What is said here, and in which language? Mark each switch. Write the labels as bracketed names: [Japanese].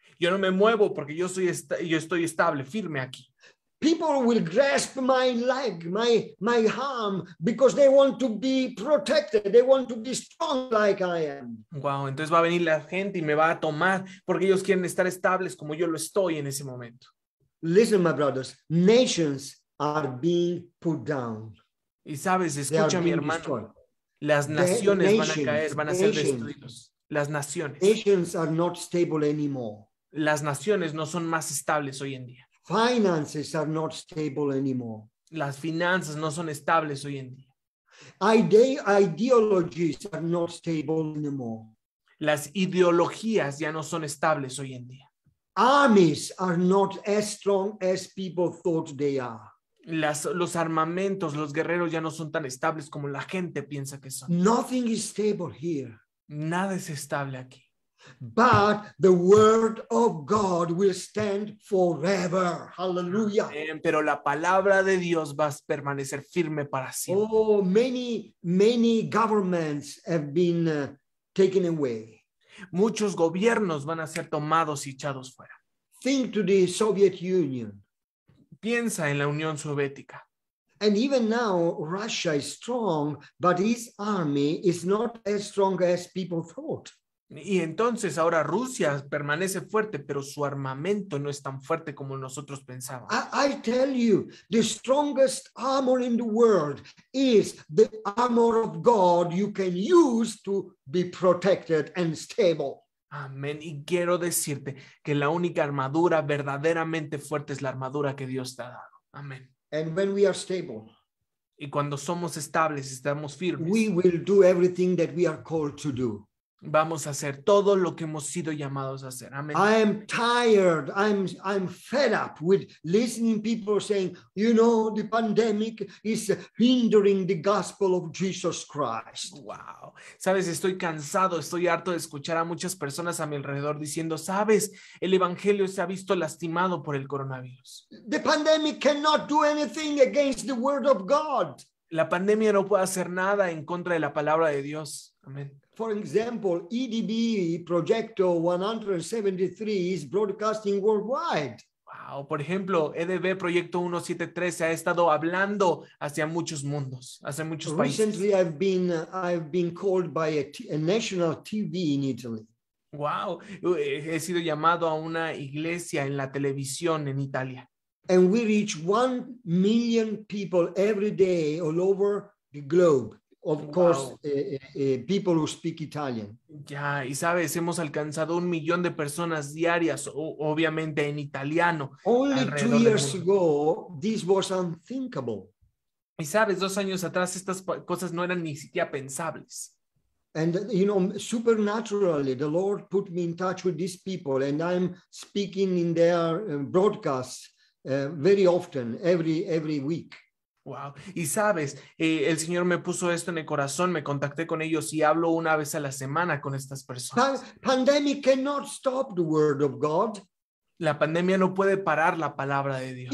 [Spanish] Yo no me muevo porque yo estoy estable, firme aquí. [English] People will grasp my leg, my arm, because they want to be protected. They want to be strong like I am. [Spanish] Wow, entonces va a venir la gente y me va a tomar porque ellos quieren estar estables como yo lo estoy en ese momento. [English] Listen, my brothers, nations are being put down. [Spanish] Y sabes, escucha mi hermano, [English] destroyed. [Spanish] Las naciones van a caer, van a ser destruidos. Las naciones. [English] Nations are not stable anymore. [Spanish] Las naciones no son más estables hoy en día. [English] Finances are not stable anymore. [Spanish] Las finanzas no son estables hoy en día. [English] Ideologies are not stable anymore. [Spanish] Las ideologías ya no son estables hoy en día. [English] Armies are not as strong as people thought they are. [Spanish] Los armamentos, los guerreros ya no son tan estables como la gente piensa que son. [English] Nothing is stable here. [Spanish] Nada es estable aquí. [English] But the word of God will stand forever. Hallelujah. [Spanish] Pero la palabra de Dios va a permanecer firme para siempre. [English] Oh, many governments have been taken away. [Spanish] Muchos gobiernos van a ser tomados y echados fuera. [English] Think to the Soviet Union. [Spanish] Piensa en la Unión Soviética. [English] And even now, Russia is strong, but its army is not as strong as people thought. [Spanish] Y entonces ahora Rusia permanece fuerte, pero su armamento no es tan fuerte como nosotros pensábamos. [English] I tell you, the strongest armor in the world is the armor of God you can use to be protected and stable. [Spanish] Amén. Y quiero decirte que la única armadura verdaderamente fuerte es la armadura que Dios te ha dado. Amén. [English] And when we are stable, [Spanish] y cuando somos estables, estamos firmes, [English] we will do everything that we are called to do. [Spanish] Vamos a hacer todo lo que hemos sido llamados a hacer. Amén. [English] I am tired. I'm fed up with listening people saying, you know, the pandemic is hindering the gospel of Jesus Christ. Wow. [Spanish] Sabes, estoy cansado, estoy harto de escuchar a muchas personas a mi alrededor diciendo, sabes, el evangelio se ha visto lastimado por el coronavirus. [English] The pandemic cannot do anything against the word of God. [Spanish] La pandemia no puede hacer nada en contra de la palabra de Dios. Amén. [English] For example, EDB Proyecto 173 is broadcasting worldwide. [Spanish] Wow, por ejemplo, EDB Proyecto 173 ha estado hablando hacia muchos mundos, hacia muchos países. [English] Recently I've been called by a national TV in Italy. [Spanish] Wow, he sido llamado a una iglesia en la televisión en Italia. [English] And we reach 1 million people every day all over the globe. Of course, wow. People who speak Italian. [Spanish] Ya, y sabes, hemos alcanzado 1 millón de personas diarias, obviamente en italiano. [English] Only 2 years ago, this was unthinkable. [Spanish] Y sabes, 2 años atrás, estas cosas no eran ni siquiera pensables. [English] And, you know, supernaturally, the Lord put me in touch with these people, and I'm speaking in their broadcasts very often, every week. Wow. [Spanish] Y sabes, el Señor me puso esto en el corazón, me contacté con ellos y hablo una vez a la semana con estas personas. [English] Pandemic cannot stop the word of God. [Spanish] La pandemia no puede parar la palabra de Dios.